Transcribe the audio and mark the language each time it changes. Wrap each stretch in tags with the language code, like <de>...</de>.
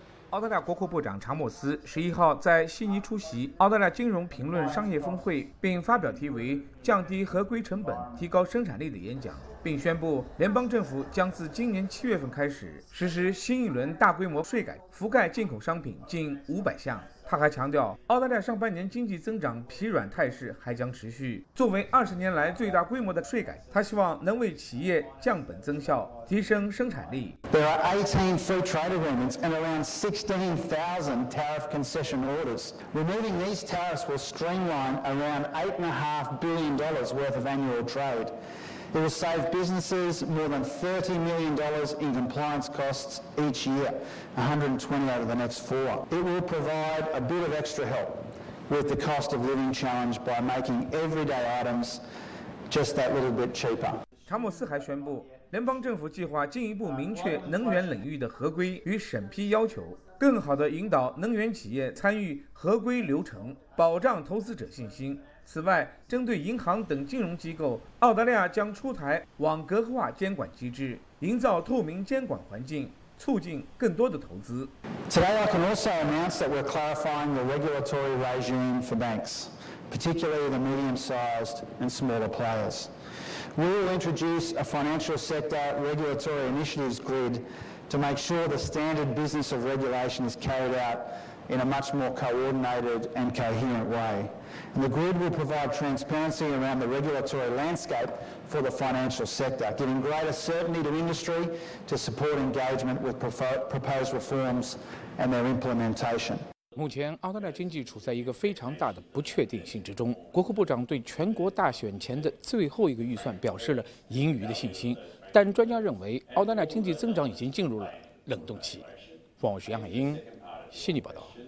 <zh>澳大利亚国库部长查莫斯11号在悉尼出席澳大利亚金融评论商业峰会，并发表题为“降低合规成本，提高生产力”的演讲，并宣布联邦政府将自今年7月份开始实施新一轮大规模税改，覆盖进口商品近500项。他还强调，澳大利亚上半年经济增长疲软态势还将持续。作为20年来最大规模的税改，他希望能为企业降本增效，提升生产力。</zh> <en>There are 18 free trade agreements and around 16,000 tariff concession orders. Removing these tariffs will streamline around $8.5 billion worth of annual trade. It will save businesses more than $30 million in compliance costs each year. 120 out of the next four. It will provide a bit of extra help with the cost of living challenge by making everyday items just that little bit cheaper.</en> <zh>查莫斯还宣布，联邦政府计划进一步明确能源领域的合规与审批要求，更好地引导能源企业参与合规流程，保障投资者信心。此外，针对银行等金融机构，澳大利亚将出台网格化监管机制，营造透明监管环境，促进更多的投资。</zh> <en>Today I can also announce that we're clarifying the regulatory regime for banks, particularly the medium-sized and smaller players. We will introduce a financial sector regulatory initiatives grid to make sure the standard business of regulation is carried out in a much more coordinated and coherent way. And the grid will provide transparency around the regulatory landscape. For the financial sector, giving greater certainty to industry to support engagement with proposed reforms and their implementation.</en> <zh>目前澳大利亚经济处在一个非常大的不确定性之中。国库部长对全国大选前的最后一个预算表示了盈余的信心，但专家认为澳大利亚经济增长已经进入了冷冻期。凤凰卫视杨海英，悉尼报道。</zh>